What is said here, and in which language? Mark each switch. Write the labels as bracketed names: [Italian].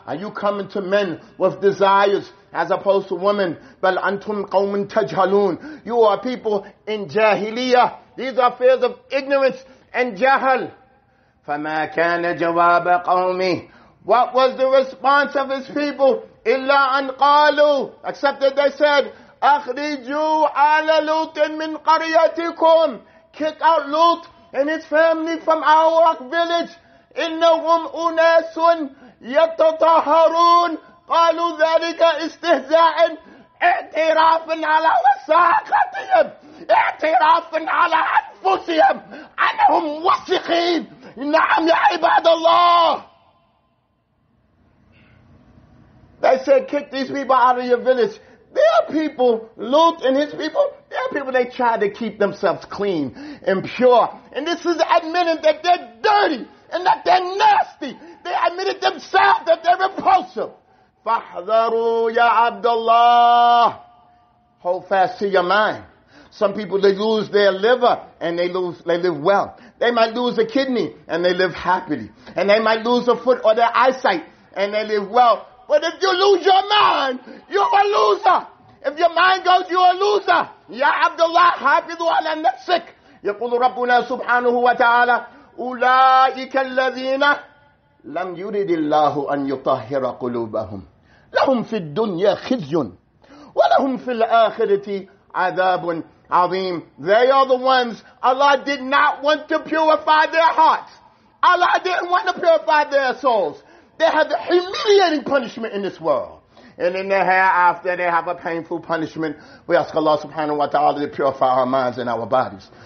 [English] Are you coming to men with desires as opposed to women? [Arabic] بَلْ أَنْتُمْ قَوْمٌ تَجْهَلُونَ. [English] You are people in jahiliyyah. These are affairs of ignorance and jahal. [Arabic] فَمَا كَانَ جَوَابَ قَوْمِي. [English] What was the response of his people? [Arabic] إِلَّا أَنْ قَالُوا. [English] Except that they said, [Arabic] أَخْرِجُوا عَلَى لُوطٍ مِنْ قَرْيَتِكُمْ. [English] Kick out Lut and his family from our village. [Arabic] إِنَّهُمْ أُنَاسٌ يَتَطَهَرُونَ. قَالُوا ذَلِكَ إِسْتِهْزَاءٌ. اعترافٌ على وساقتهم, اعترافٌ على أنفسهم أنهم وسخين. نعم يا عباد الله. [English] They said, kick these people out of your village. There are people, Lut and his people, there are people, they try to keep themselves clean and pure. And this is admitting that they're dirty and that they're nasty. They admitted themselves that they're repulsive. [Arabic] فَحْذَرُوا يَا عَبْدَ اللَّهِ. [English] Hold fast to your mind. Some people, they lose their liver and they live well. They might lose a kidney and they live happily. And they might lose a foot or their eyesight and they live well. But if you lose your mind, you're a loser. If your mind goes, you're a loser. [Arabic] Ya Abdullah, hafidhu ala nafsik. يقول ربنا سبحانه وتعالى أولئك الذين لم يرد الله أن يطهر قلوبهم لهم في الدنيا خزي ولهم في الآخرة عذاب عظيم. [English] They are the ones Allah did not want to purify their hearts. Allah didn't want to purify their souls. They have a humiliating punishment in this world. And in the hereafter, they have a painful punishment. We ask Allah subhanahu wa ta'ala to purify our minds and our bodies.